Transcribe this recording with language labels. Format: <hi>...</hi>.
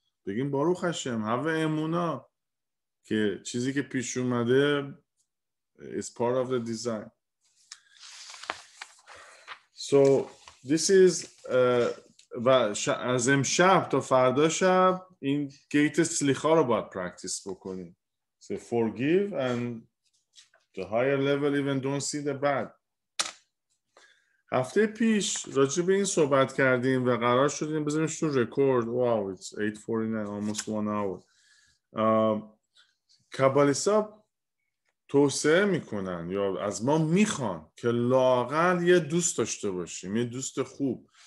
<fa>بگیم باروخ هشم، هوه امونا که چیزی که پیش اومده</fa> <en>is part of the design. So this is</en> <fa>و از امشب تا فردا شب این گیت سلیخا رو باید پرکتیس بکنیم.</fa> <en>So forgive and the higher level even don't see the bad.</en> <fa>هفته پیش راجع به این صحبت کردیم و قرار شدیم بذاریمش تو رکورد. واو</fa> <en>it's 8:49 almost 1 hour.</en> <fa>کابالیسا توصیه میکنن یا از ما میخوان که لااقل یه دوست داشته باشیم، یه دوست خوب.</fa>